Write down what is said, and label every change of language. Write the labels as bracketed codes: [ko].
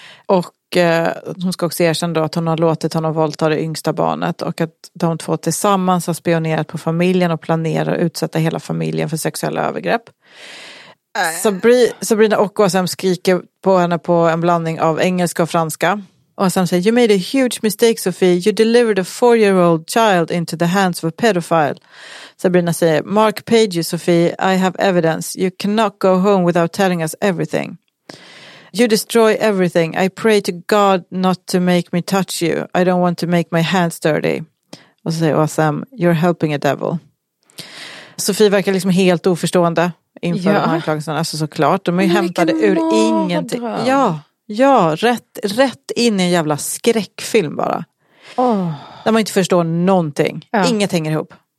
[sv] Och hon ska också erkänna då att hon har låtit honom våldta det yngsta barnet. Och att de två tillsammans har spionerat på familjen och planerar att utsätta hela familjen för sexuella övergrepp. Sabrina och OSM skriker på henne på en blandning av engelska och franska. Och sen säger, [en] you made a huge mistake, Sophie. You delivered a 4-year-old child into the hands of a pedophile. [sv] Sabrina säger, [en] Mark paid you, Sophie. I have evidence. You cannot go home without telling us everything. You destroy everything. I pray to God not to make me touch you. I don't want to make my hands dirty. [sv] Och så säger [en] OSM, you're helping a devil. [sv] Sophie verkar liksom helt oförstående inför de här anklagelserna. Alltså såklart, de är ju hämtade ur ingenting. Ja. Ja, rätt in i en jävla skräckfilm bara. Oh. Där man inte förstår någonting. Ja. Inget hänger ihop.